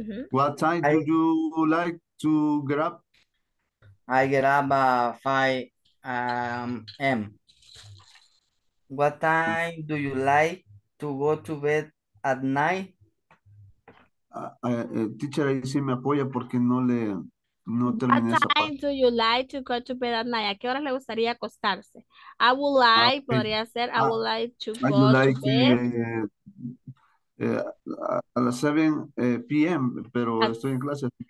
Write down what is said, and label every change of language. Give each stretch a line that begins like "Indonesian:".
English: What time do you like to get up? I get up at 5 a.m. What time do you like to go to bed at night?
Spanish: Teacher, ahí sí me apoya porque no terminé esa parte.
English: What time do you like to go to bed at night?
Spanish: ¿A qué hora le gustaría acostarse?
English: I would like,
Spanish: podría ser,
English: I would like to go to like bed.
Spanish: A las 7 p.m., pero at, estoy en clase.